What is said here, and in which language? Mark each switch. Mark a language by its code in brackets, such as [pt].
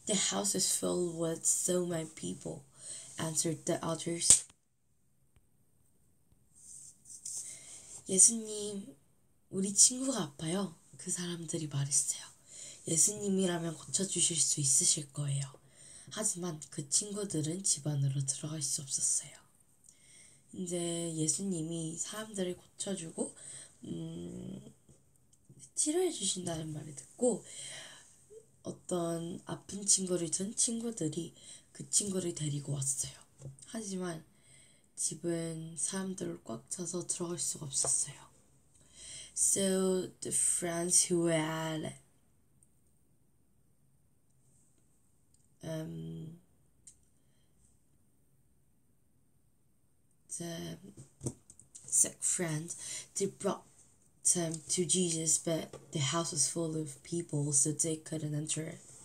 [en] The house is filled with so many people, answered the others. [ko] 예수님, 우리 친구가 아파요. 그 사람들이 말했어요. 예수님이라면 고쳐주실 수 있으실 거예요. 하지만 그 친구들은 집 안으로 들어갈 수 없었어요. 이제 예수님이 사람들을 고쳐주고 치료해 주신다는 말을 듣고 어떤 아픈 친구를 둔 친구들이 그 친구를 데리고 왔어요. 하지만 집은 사람들을 꽉 차서 들어갈 수가 없었어요. [en] So the friends who were the sick friend, they brought them to Jesus, but the house was full of people, so they couldn't enter it.